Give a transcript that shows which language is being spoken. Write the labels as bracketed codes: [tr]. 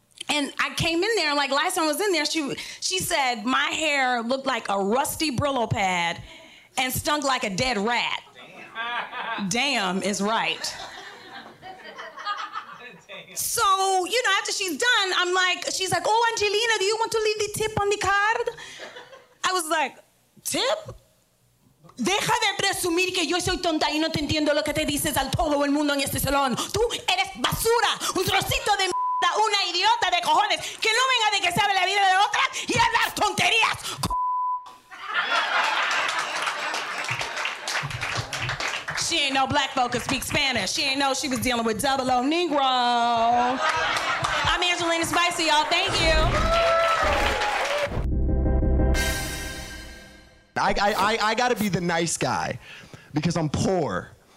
[en] And I came in there, like last time I was in there, she said my hair looked like a rusty Brillo pad and stunk like a dead rat. Damn, damn is right. So, you know, after she's done, she's like, oh, Angelina, do you want to leave the tip on the card? I was like, tip? [es] Deja de presumir que yo soy tonta y no te entiendo lo que te dices al todo el mundo en este salón. Tú eres basura, un trocito de mierda, una idiota de cojones, que no venga de que sabe la vida de otras y hablar tonterías, [en] She ain't no black folk could speak Spanish. She ain't know she was dealing with double O Negro. I'm Angelina Spicy, y'all. Thank you. I gotta be the nice guy because I'm poor.